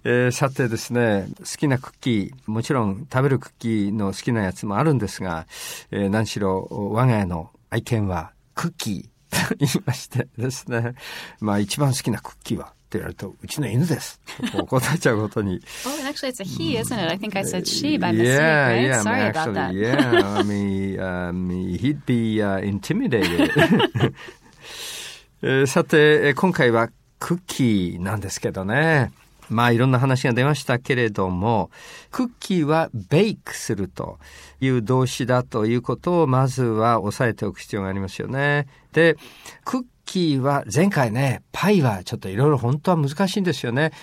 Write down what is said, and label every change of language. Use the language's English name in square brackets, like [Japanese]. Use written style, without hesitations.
[Japanese] さてですね、好きなクッキー、もちろん食べるクッキーの好きなやつもあるんですが、何しろ我が家の愛犬はクッキーと言いましてですね、まあ一番好きなクッキーはって言われると、うちの犬ですと答えちゃうことに。 [English] Oh, actually it's a he, isn't it? I think I said she by mistake, yeah, right? Yeah, sorry about that. Yeah, I mean, he'd be intimidated. [Japanese] さて、今回はクッキーなんですけどね。まあいろんな話が出ましたけれども、クッキーはベイクするという動詞だということをまずは押さえておく必要がありますよね。で、クッキーは前回ね、パイはちょっといろいろ本当は難しいんですよね。